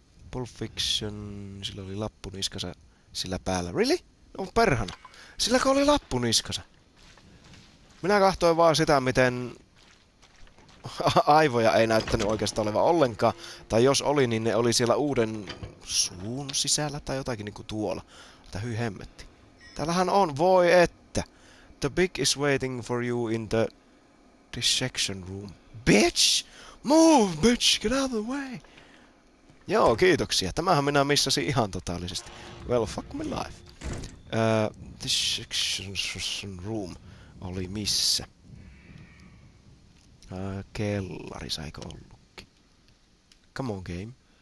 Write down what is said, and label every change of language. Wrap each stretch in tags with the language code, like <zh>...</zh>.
<fi>Pulp Fiction, sillä oli lappu niskassa sillä päällä.</fi> <en>Really?</en> <fi>No perhana. Silläkö oli lappu niskassa? Minä kahtoin vaan sitä, miten... Aivoja ei näyttänyt oikeastaan olevan ollenkaan. Tai jos oli, niin ne oli siellä uuden suun sisällä tai jotakin niinku tuolla. Tää hyi hemmetti. Täällähän on, voi että.</fi> <en>The big is waiting for you in the dissection room. Bitch! Move, bitch! Get out of the way!</en> <fi>Joo, kiitoksia. Tämähän minä missasin ihan totaalisesti.</fi> <en>Well, fuck my life.</en> <fi>Dissection room oli missä? Kellari saiko ollutkin?</fi> <en>Come on, game.</en>